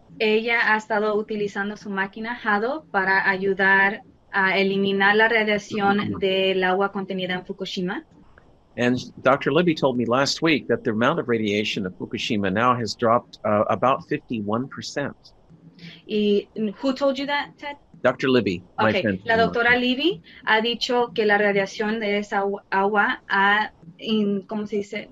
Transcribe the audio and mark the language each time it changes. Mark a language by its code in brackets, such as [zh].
[es] Ella ha estado utilizando su máquina Haru para ayudar a eliminar la radiación del agua contenida en Fukushima. [en] And Dr. Libby told me last week that the amount of radiation of Fukushima now has dropped about 51%. Y who told you that, Ted? Dr. Libby, okay. My friend. [es] La doctora Libby ha dicho que la radiación de esa agua ha, ¿cómo se dice?